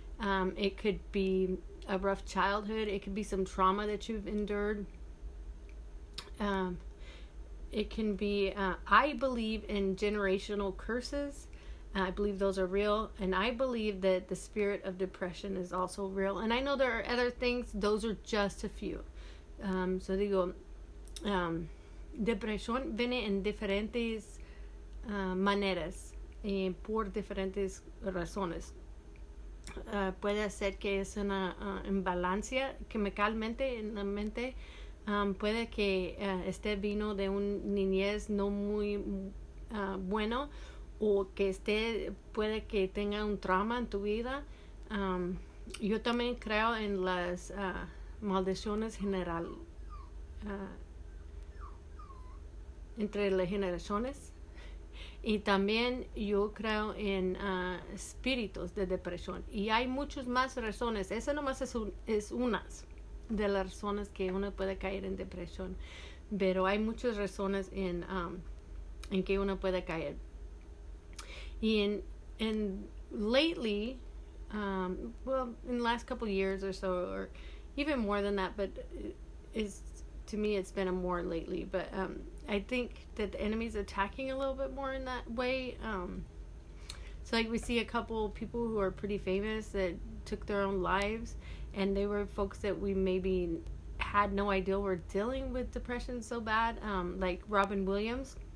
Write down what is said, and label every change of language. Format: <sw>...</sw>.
<en>It could be a rough childhood. It could be some trauma that you've endured. It can be, I believe in generational curses. I believe those are real, and I believe that the spirit of depression is also real. And I know there are other things, those are just a few.</en> <es>So digo, depresión viene en diferentes maneras y por diferentes razones. Puede ser que es una imbalancia químicamente en la mente. Puede que este vino de un niñez no muy bueno. O que esté, puede que tenga un trauma en tu vida. Yo también creo en las maldiciones general entre las generaciones. Y también yo creo en espíritus de depresión. Y hay muchas más razones. Esa nomás es una de las razones que uno puede caer en depresión. Pero hay muchas razones en que uno puede caer. Y en</es> <en>lately, well, in the last couple of years or so, or even more than that, but it's, to me it's been a more lately, but I think that the enemy's attacking a little bit more in that way. So like we see a couple people who are pretty famous that took their own lives, and they were folks that we maybe had no idea were dealing with depression so bad, like Robin Williams.</en>